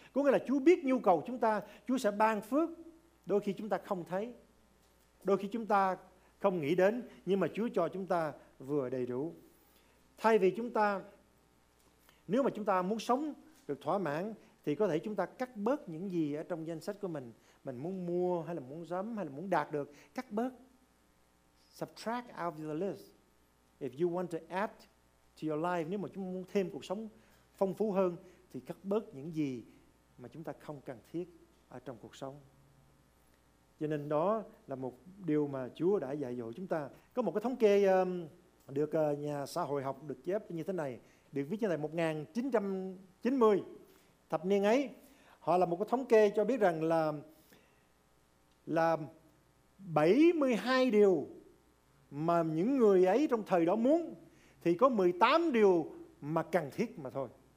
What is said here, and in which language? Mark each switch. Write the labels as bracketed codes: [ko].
[vi] Có nghĩa là Chúa biết nhu cầu chúng ta, Chúa sẽ ban phước. Đôi khi chúng ta không thấy, đôi khi chúng ta không nghĩ đến, nhưng mà Chúa cho chúng ta vừa đầy đủ. Thay vì chúng ta Nếu mà chúng ta muốn sống được thỏa mãn thì có thể chúng ta cắt bớt những gì ở trong danh sách của mình. Mình muốn mua hay là muốn sắm hay là muốn đạt được, cắt bớt. [en] Subtract out of the list. If you want to add to your life, [vi] nếu mà chúng ta muốn thêm cuộc sống phong phú hơn thì cắt bớt những gì mà chúng ta không cần thiết ở trong cuộc sống. Cho nên đó là một điều mà Chúa đã dạy dỗ chúng ta. Có một cái thống kê được nhà xã hội học được chép như thế này, được viết như thế này, 1990 thập niên ấy, họ là một cái thống kê cho biết rằng là 72 điều mà những người ấy trong thời đó muốn thì có 18 điều mà cần thiết mà thôi.